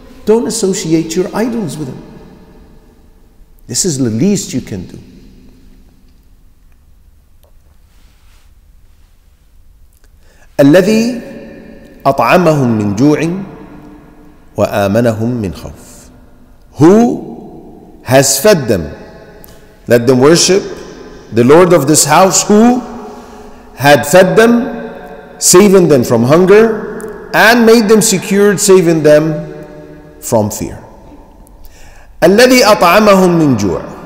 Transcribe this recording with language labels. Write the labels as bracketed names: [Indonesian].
[English] Don't associate your idols with him. This is the least you can do. [Arabic] الذي أطعمهم من جوع وآمنهم من خوف. [English] Who has fed them? Let them worship the Lord of this house, who had fed them, saving them from hunger, and made them secured, saving them from fear. [Arabic] الذي أطعمهم من جوع.